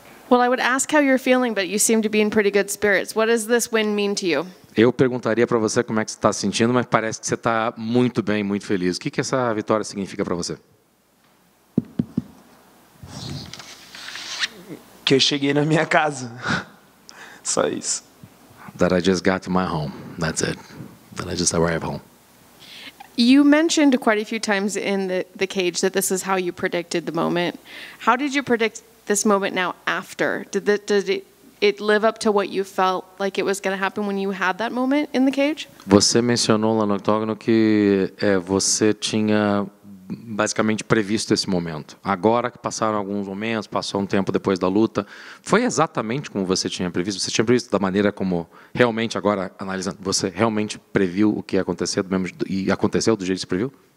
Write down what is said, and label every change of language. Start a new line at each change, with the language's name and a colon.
English: Well, I would ask how you're feeling, but you seem to be in pretty good spirits. What does this win mean to you?
Portuguese: Eu perguntaria para você como é que você está sentindo, mas parece que você está muito bem, muito feliz. O que que essa vitória significa para você? Que eu cheguei na minha casa. Só isso.
English: That I just got to my home. That's it. That I just arrived home. You mentioned quite a few times in the cage that this is how you predicted the moment. How did you predict this moment now after? Did it live up to what you felt like it was going to happen when you had that moment in the cage?
Portuguese: Você mencionou lá no octógono que você tinha basicamente previsto esse momento. Agora que passaram alguns momentos, passou tempo depois da luta, foi exatamente como você tinha previsto? Você tinha previsto da maneira como realmente agora analisando, você realmente previu o que ia acontecer do mesmo e aconteceu do jeito que você previu?